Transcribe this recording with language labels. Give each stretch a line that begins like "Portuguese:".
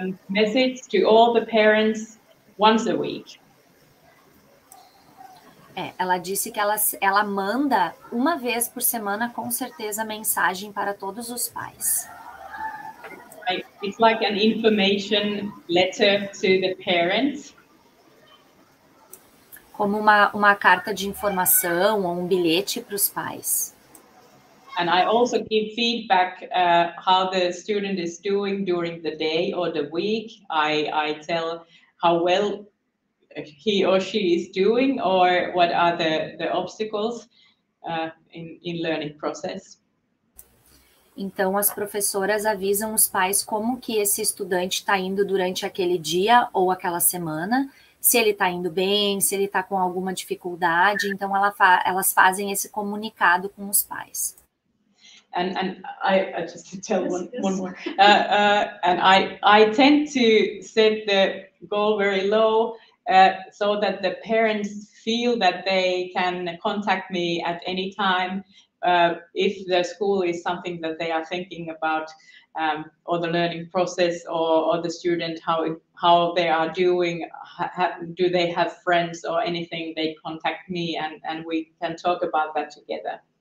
English: Message to all the parents once a week.
Portuguese: Ela disse que ela manda uma vez por semana com certeza mensagem para todos os pais.
English: It's like an information letter to the parents.
Portuguese: Como uma carta de informação ou um bilhete para os pais.
English: And I also give feedback how the student is doing during the day or the week. I tell how well he or she is doing or what are the obstacles in learning process.
Portuguese: Então, as professoras avisam os pais como que esse estudante está indo durante aquele dia ou aquela semana, se ele está indo bem, se ele está com alguma dificuldade. Então, elas fazem esse comunicado com os pais.
English: And I just tell one more. And I tend to set the goal very low so that the parents feel that they can contact me at any time if the school is something that they are thinking about or the learning process or the student, how they are doing, do they have friends or anything, they contact me and we can talk about that together.